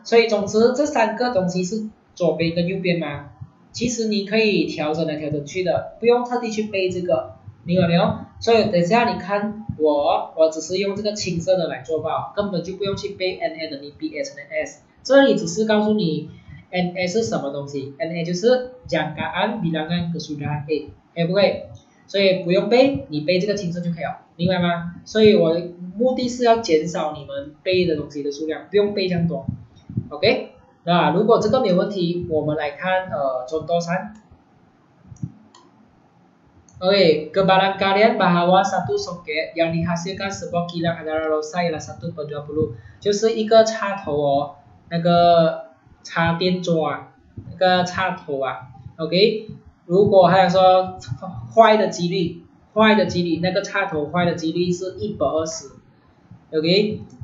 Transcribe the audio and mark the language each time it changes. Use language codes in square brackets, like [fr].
[zh] 所以总之这三个东西是左边跟右边吗？其实你可以调整来调整去的，不用特地去背这个，明白没有？所以等一下你看我只是用这个青色的来做吧，根本就不用去背 NA 的 BA 和 NS， 这里只是告诉你NA 是什么东西。 NA 就是 [ms] jangkaan bilangan kesudahan A， [zh] 对不对？所以不用背，你背这个青色就可以了，明白吗？所以我目的是要减少你们背的东西的数量，不用背这样多。 OK， 那如果这个没有问题，我们来看contoh 3。 OK， [ms] kebarang kalian bahawa satu soket yang dihasilkan sebuah kilang adalah rosa ialah 1/20， [zh] 就是一个插头哦，那个插电座啊，那个插头啊， OK， 如果还有说坏的几率，那个插头坏的几率是1/20， OK，